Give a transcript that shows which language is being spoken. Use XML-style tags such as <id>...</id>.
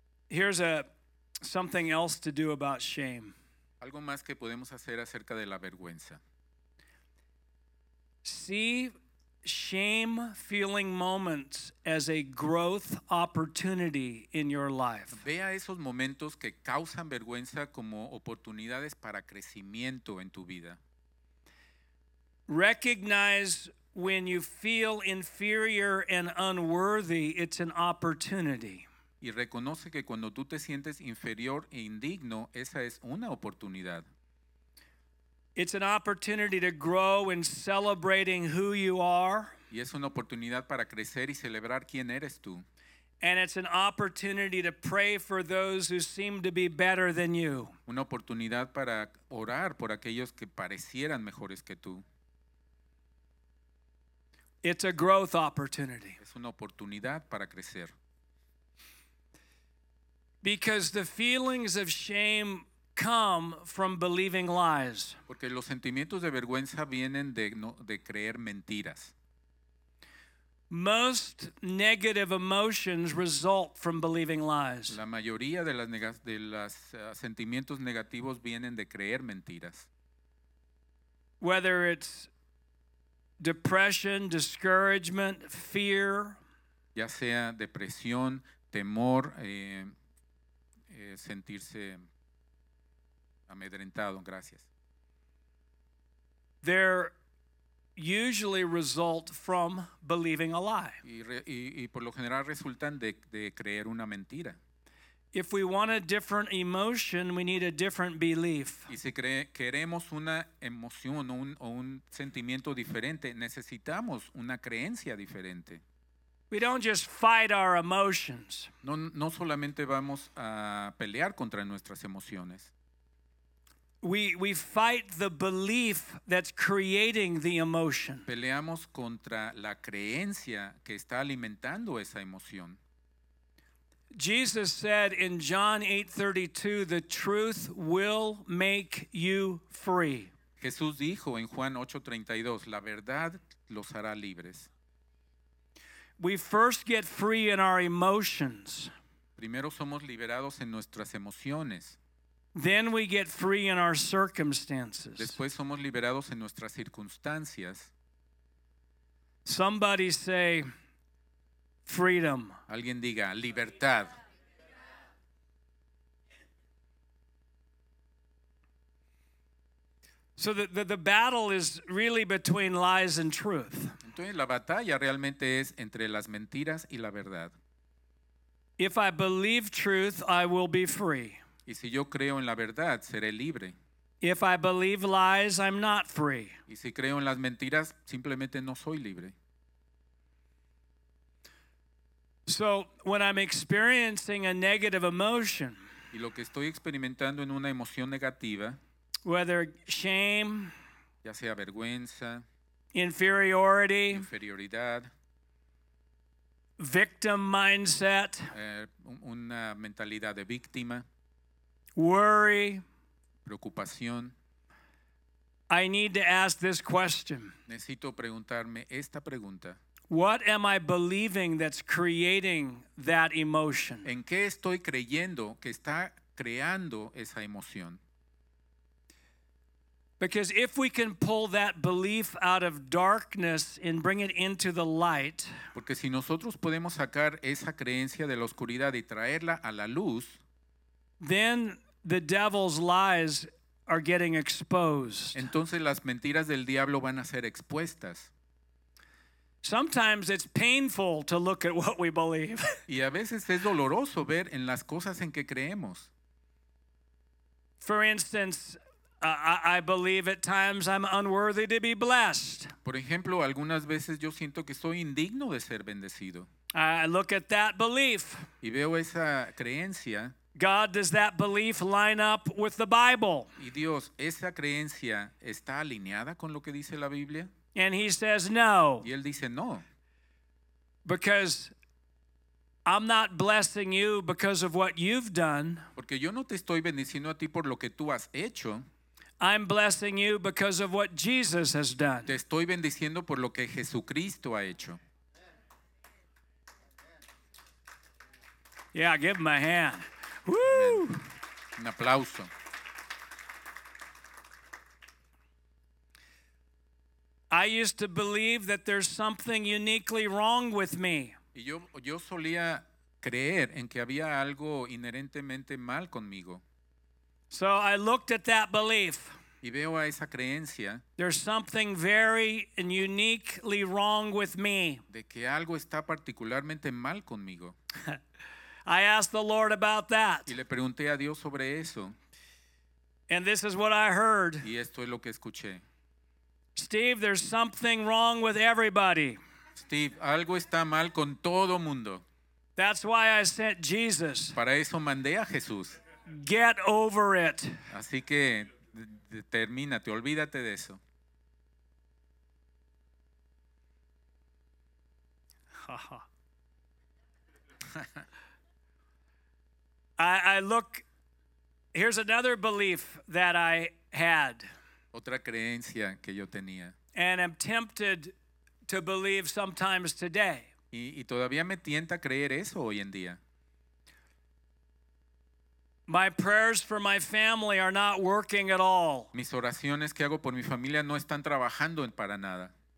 <en>Here's a something else to do about shame.</en> <es>Algo más que podemos hacer acerca de la vergüenza.</es> <en>See shame feeling moments as a growth opportunity in your life.</en> <es>Vea esos momentos que causan vergüenza como oportunidades para crecimiento en tu vida.</es> <en>Recognize when you feel inferior and unworthy, it's an opportunity.</en> <es>Y reconoce que cuando tú te sientes inferior e indigno, esa es una oportunidad.</es> <en>It's an opportunity to grow in celebrating who you are.</en> <es>Y es una oportunidad para crecer y celebrar quién eres tú.</es> <en>And it's an opportunity to pray for those who seem to be better than you.</en> <es>Una oportunidad para orar por aquellos que parecieran mejores que tú.</es> <en>It's a growth opportunity.</en> <es>Es una oportunidad para crecer.</es> <en>Because the feelings of shame come from believing lies.</en> <es>Porque los sentimientos de vergüenza vienen de creer mentiras.</es> <en>Most negative emotions result from believing lies.</en> <es>La mayoría de las sentimientos negativos vienen de creer mentiras.</es> <en>Whether it's depression, discouragement, fear.</en> <es>Ya sea depresión, temor, sentirse amedrentado, gracias.</es> <en>They usually result from believing a lie.</en> <es>Y por lo general resultan de creer una mentira.</es> <en>If we want a different emotion, we need a different belief.</en> <es>Y si queremos una emoción o un sentimiento diferente, necesitamos una creencia diferente.</es> <en>We don't just fight our emotions.</en> <es>No solamente vamos a pelear contra nuestras emociones.</es> <en>We fight the belief that's creating the emotion.</en> <es>Peleamos contra la creencia que está alimentando esa emoción.</es> <en>Jesus said in John 8:32, "The truth will make you free."</en> <es>Jesús dijo en Juan 8:32, "La verdad los hará libres."</es> <en>We first get free in our emotions.</en> <es>Primero somos liberados en nuestras emociones.</es> <en>Then we get free in our circumstances.</en> <es>Después somos liberados en nuestras circunstancias.</es> <en>Somebody say freedom.</en> <es>Alguien diga libertad.</es> <en>So the battle is really between lies and truth.</en> <es>Entonces la batalla realmente es entre las mentiras y la verdad.</es> <en>If I believe truth, I will be free.</en> <es>Y si yo creo en la verdad, seré libre.</es> <en>If I believe lies, I'm not free.</en> <es>Y si creo en las mentiras, simplemente no soy libre.</es> <en>So when I'm experiencing a negative emotion,</en> <es>y lo que estoy experimentando en una emoción negativa,</es> <en>whether shame,</en> <es>ya sea vergüenza,</es> <en>inferiority,</en> <es>inferioridad,</es> <en>victim mindset,</en> <es>una mentalidad de víctima,</es> <en>worry,</en> <es>preocupación,</es> <en>I need to ask this question.</en> <es>Necesito preguntarme esta pregunta.</es> <en>What am I believing that's creating that emotion?</en> <es>¿En qué estoy creyendo que está creando esa emoción?</es> <en>Because if we can pull that belief out of darkness and bring it into the light,</en> <es>porque si nosotros podemos sacar esa creencia de la oscuridad y traerla a la luz,</es> <en>then the devil's lies are getting exposed.</en> <es>Entonces las mentiras del diablo van a ser expuestas.</es> <en>Sometimes it's painful to look at what we believe.</en> <es>Y a veces es doloroso ver en las cosas en que creemos.</es> <en>For instance, I believe at times I'm unworthy to be blessed.</en> <es>Por ejemplo, algunas veces yo siento que soy indigno de ser bendecido.</es> <en>I look at that belief.</en> <es>Y veo esa creencia.</es> <en>God, does that belief line up with the Bible?</en> <es>Y Dios, ¿esa creencia está alineada con lo que dice la Biblia?</es> <en>And he says no.</en> <es>Y él dice no.</es> <en>Because I'm not blessing you because of what you've done.</en> <es>Porque yo no te estoy bendiciendo a ti por lo que tú has hecho.</es> <en>I'm blessing you because of what Jesus has done.</en> <es>Te estoy bendiciendo por lo que Jesucristo ha hecho.</es> <en>Yeah, give him a hand. Woo!</en> <es>Un aplauso.</es> <en>I used to believe that there's something uniquely wrong with me.</en> <es>Y yo solía creer en que había algo inherentemente mal conmigo.</es> <en>So I looked at that belief.</en> <es>Y veo a esa creencia.</es> <en>There's something very and uniquely wrong with me.</en> <es>De que algo está particularmente mal conmigo.</es> <en>I asked the Lord about that.</en> <es>Y le pregunté a Dios sobre eso.</es> <en>And this is what I heard.</en> <es>Y esto es lo que escuché.</es> <en>Steve, there's something wrong with everybody.</en> <es>Steve, algo está mal con todo mundo.</es> <en>That's why I sent Jesus.</en> <es>Para eso mandé a Jesús.</es> <en>Get over it.</en> <es>Así que termínate, olvídate de eso.</es> <en>I look, here's another belief that I had.</en> <es>Otra creencia que yo tenía.</es> <en>And I'm tempted to believe sometimes today.</en> <es>Y todavía me tienta creer eso hoy en día.</es> <en>My prayers for my family are not working at all.</en> <es>Mis oraciones que hago por mi familia no están trabajando para nada.</es>